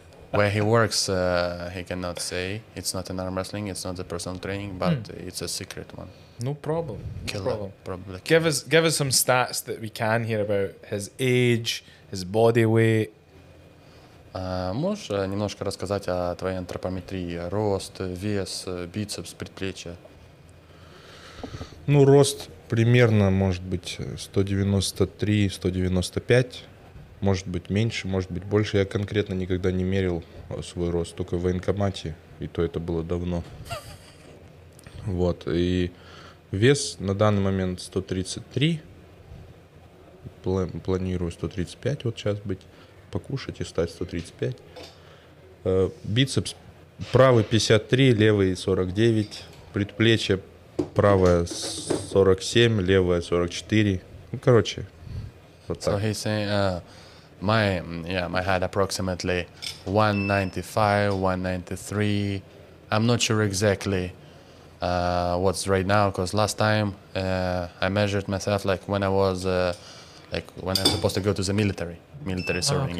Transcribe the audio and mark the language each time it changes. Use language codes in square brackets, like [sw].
[en] Where he works, he cannot say. It's not an arm wrestling. It's not the personal training, but it's a secret one. No problem. Killer. Give us some stats that we can hear about his age, his body weight. [ru] Можешь немножко рассказать о твоей антропометрии? Рост, вес, бицепс, предплечье? Ну, рост примерно, может быть, 193-195. Может быть, меньше, может быть, больше. Я конкретно никогда не мерил свой рост, только в военкомате, и то это было давно. Вот, и... Вес на данный момент 133, планирую 135 вот сейчас быть, покушать и стать 135. Бицепс правый 53, левый 49, предплечье правое 47, левое 44, ну короче, вот так. [en] So he's saying, my head approximately 195, 193, I'm not sure exactly. What's right now, because last time I measured myself like when I was when I'm supposed to go to the military serving.